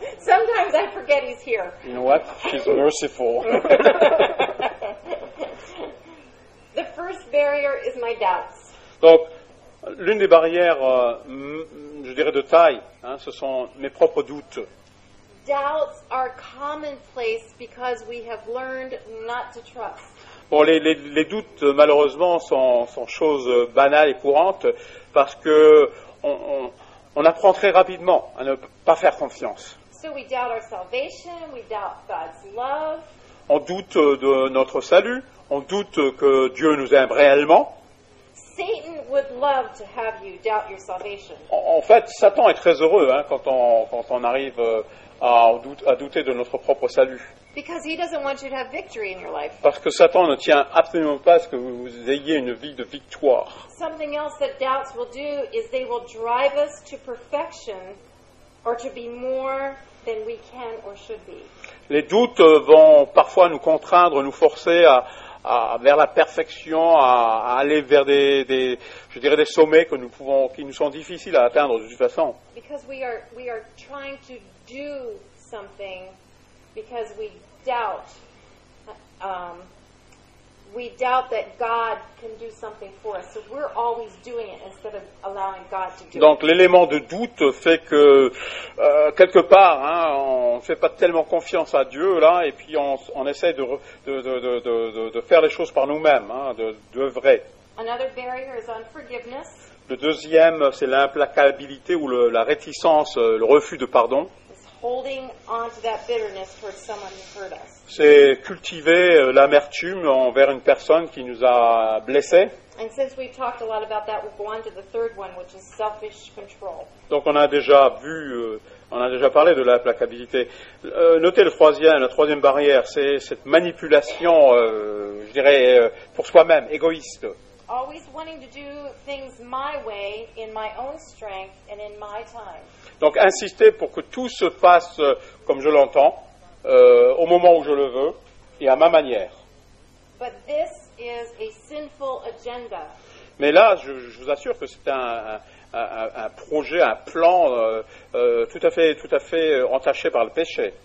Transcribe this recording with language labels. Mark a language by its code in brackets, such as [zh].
[en] Sometimes I forget he's here. You know what? She's merciful. The first barrier is my doubts. [fr] Donc, l'une des barrières, je dirais de taille, hein, ce sont mes propres doutes. [en] Doubts are commonplace because we have learned not to trust. [fr] Bon, les doutes, malheureusement, sont choses banales et courantes parce que on apprend très rapidement à ne pas faire confiance. [en] So we doubt our salvation, we doubt God's love. [fr] On doute de notre salut. On doute que Dieu nous aime réellement. [en] Satan would love to have you doubt your salvation. [fr] En fait, Satan est très heureux hein, quand on arrive à douter de notre propre salut. [en] Because he doesn't want you to have victory in your life. [fr] Parce que Satan ne tient absolument pas à ce que vous ayez une vie de victoire. [en] Something else that doubts will do is they will drive us to perfection or to be more than we can or should be. [fr] Les doutes vont parfois nous contraindre, nous forcer à vers la perfection, à aller vers des sommets qui nous sont difficiles à atteindre de toute façon. [en] Because we are trying to do something because we doubt that God can do something for us. So we're always doing it instead of allowing God to do it. [fr] Donc l'élément de doute fait que quelque part, hein, on ne fait pas tellement confiance à Dieu là, et puis on essaie de faire les choses par nous-mêmes, hein, de vrai. [en] Another barrier is unforgiveness. [fr] Le deuxième, c'est l'implacabilité ou la réticence, le refus de pardon. [en] It's holding on to that bitterness towards someone who hurt us. [fr] C'est cultiver l'amertume envers une personne qui nous a blessé. [en] And since we've talked a lot about that, we'll go on to the third one, which is selfish control. [fr] Donc on a déjà vu, on a déjà parlé de la placabilité. Notez la troisième barrière, c'est cette manipulation, je dirais, pour soi-même, égoïste. [en] Always wanting to do things my way, in my own strength and in my time. [fr] Donc insister pour que tout se passe comme je l'entends, au moment où je le veux et à ma manière. [en] But this is a sinful agenda. [fr] Mais là, je vous assure que c'est un projet, un plan tout à fait entaché par le péché.